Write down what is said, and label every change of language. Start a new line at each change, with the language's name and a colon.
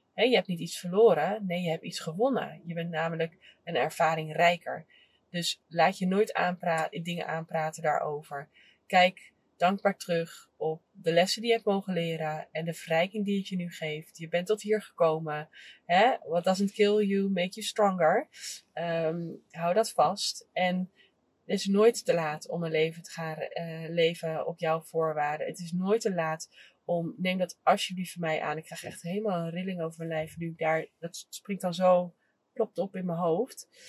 Dutch: Hey, je hebt niet iets verloren, nee, je hebt iets gewonnen. Je bent namelijk een ervaring rijker. Dus laat je nooit dingen aanpraten daarover. Kijk dankbaar terug op de lessen die je hebt mogen leren en de verrijking die het je nu geeft. Je bent tot hier gekomen.
English: Hey, what doesn't kill you, make you stronger.
Dutch: Hou dat vast. En het is nooit te laat om een leven te gaan leven op jouw voorwaarden. Het is nooit te laat... om, neem dat alsjeblieft van mij aan. Ik krijg echt helemaal een rilling over mijn lijf. Nu daar, dat springt dan zo, plopt op in mijn hoofd.